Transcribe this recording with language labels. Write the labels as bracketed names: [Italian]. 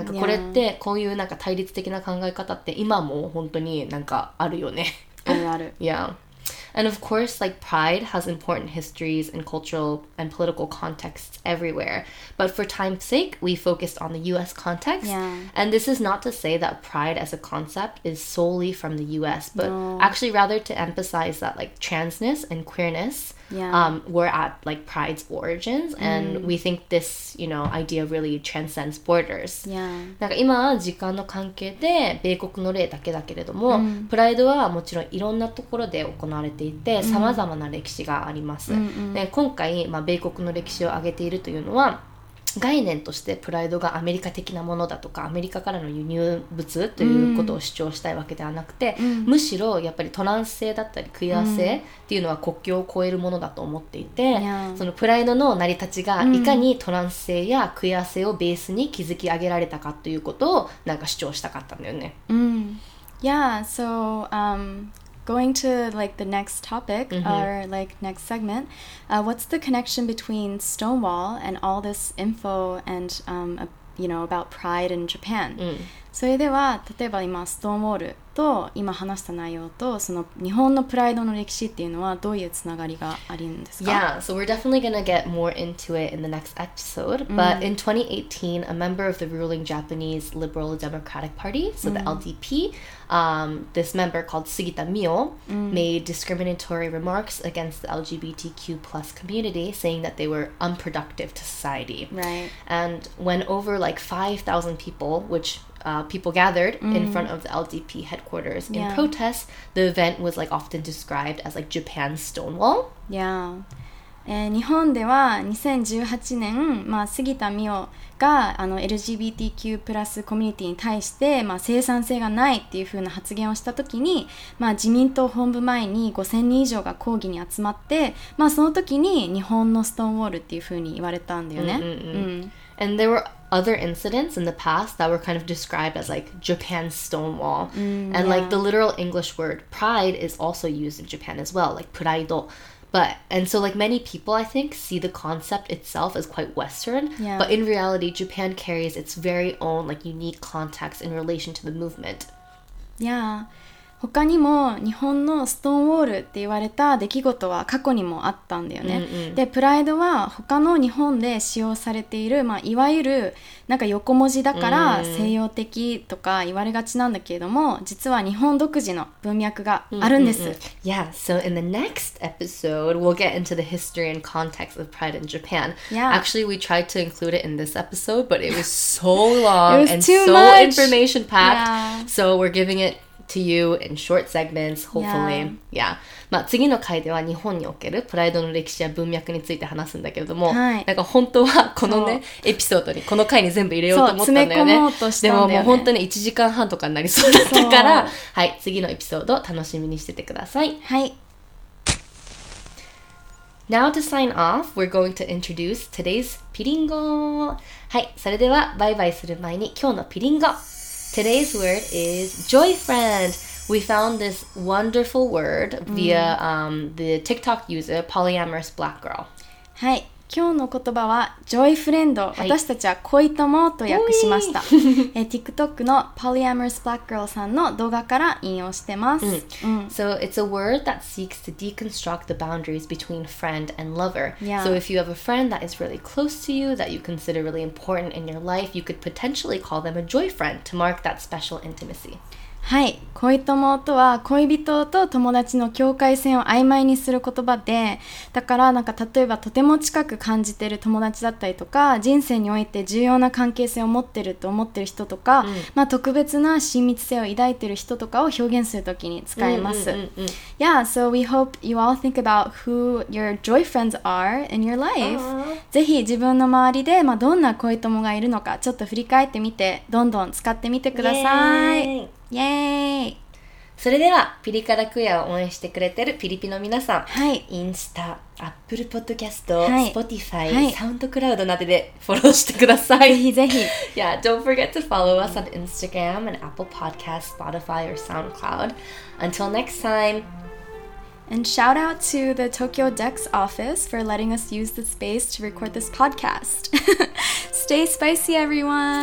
[Japanese] なんかこれってこういうなんか対立的な考え方って今も本当になんかあるよね。あるある。 [English] Yeah. And of course, like, pride has important histories and cultural and political contexts everywhere. But for time's sake, we focused on the U.S. context. Yeah. And this is not to say that pride as a concept is solely from the U.S., but no. actually rather to emphasize that, like, transness and queerness were at, like, pride's origins. And we think this, you know, idea really transcends borders. Yeah. [Japanese] なんか今は時間の関係で米国の例だけだけれども、プライドはもちろんいろんなところで行われていて、さまざまな歴史があります。で、今回、まあ、米国の歴史を挙げているというのは、概念としてプライドがアメリカ的なものだとかアメリカからの輸入物ということを主張したいわけではなくて、むしろやっぱりトランス性だったりクイア性っていうのは国境を越えるものだと思っていて、そのプライドの成り立ちがいかにトランス性やクイア性をベースに築き上げられたかということをなんか主張したかったんだよね。 [English] Yeah, so, going to like the next topic or like next segment, what's the connection between Stonewall and all this info and you know about pride in Japan? [Japanese] それでは例えば今ストーンウォールと今話した内容とその日本のプライドの歴史っていうのはどういうつながりがあるんですか? [English] Yeah, so we're definitely gonna get more into it in the next episode. But in 2018, a member of the ruling Japanese Liberal Democratic Party, so the LDP, this member called Sugita Mio, made discriminatory remarks against the LGBTQ plus community, saying that they were unproductive to society. Right. And when over like 5,000 people, whichpeople gathered in front of the LDP headquarters in protest, the event was like often described as like Japan's Stonewall. Yeah. [Japanese] 日本では2018年、まあ、杉田美桜が LGBTQ プラスコミュニティに対して、まあ、生産性がないっていう風な発言をした時に、まあ、自民党本部前に5000人以上が抗議に集まって、まあ、その時に日本のストーンウォールっていう風に言われたんだよね。 [English] And there were other incidents in the past that were kind of described as like Japan's Stonewall. And like the literal English word pride is also used in Japan as well, like プライド. But, and so like many people, I think, see the concept itself as quite Western. Yeah. But in reality, Japan carries its very own like unique context in relation to the movement. Yeah. [Japanese] 他にも日本のストーンウォールって言われた出来事は過去にもあったんだよね。で、プライドは他の日本で使用されている、まあ、いわゆるなんか横文字だから西洋的とか言われがちなんだけれども、実は日本独自の文脈があるんです。 [English] Yeah, so in the next episode, we'll get into the history and context of Pride in Japan. Yeah. Actually, we tried to include it in this episode, but it was so long was and so much. Information packed. Yeah. So we're giving itto you in short segments, hopefully. Yeah. Yeah. [Japanese] まあ次の回では日本におけるプライドの歴史や文脈について話すんだけれども、はい、なんか本当はこのね、エピソードに、この回に全部入れようと思ったんだよね。そう、詰め込もうとしたんだよね。でももう本当に1時間半とかになりそうだったから、はい、次のエピソード楽しみにしててください。はい。 [English] Now to sign off, we're going to introduce today's ピリンゴ。 [Japanese] はい、それではバイバイする前に今日のピリンゴ。 [English] Today's word is joyfriend. We found this wonderful word via the TikTok user polyamorous black girl. [Japanese] はい、今日の言葉は joyfriend、はい、私たちは恋友と訳しました。 TikTok の polyamorous black girl さんの動画から引用してます。 [English] So it's a word that seeks to deconstruct the boundaries between friend and lover. Yeah. So if you have a friend that is really close to you, that you consider really important in your life, you could potentially call them a joyfriend to mark that special intimacy. [Japanese] はい、恋友とは恋人と友達の境界線を曖昧にする言葉で、だからなんか例えばとても近く感じている友達だったりとか、人生において重要な関係性を持ってると思ってる人とか、うん、まあ、特別な親密性を抱いてる人とかを表現するときに使えます。 [English] Yeah, so we hope you all think about who your joy friends are in your life. [Japanese] ぜひ自分の周りで、まあ、どんな恋友がいるのかちょっと振り返ってみて、どんどん使ってみてください。イエーイ。それではピリ辛クエアを応援してくれてるピリピの皆さん、はい、インスタ、アップルポッドキャスト、はい、スポティファイ、はい、サウンドクラウドなどでフォローしてください。ぜひぜひ。 [English] Yeah, don't forget to follow us on Instagram and Apple Podcasts, Spotify or SoundCloud. Until next time. And shout out to the Tokyo Dex office for letting us use the space to record this podcast. Stay spicy, everyone.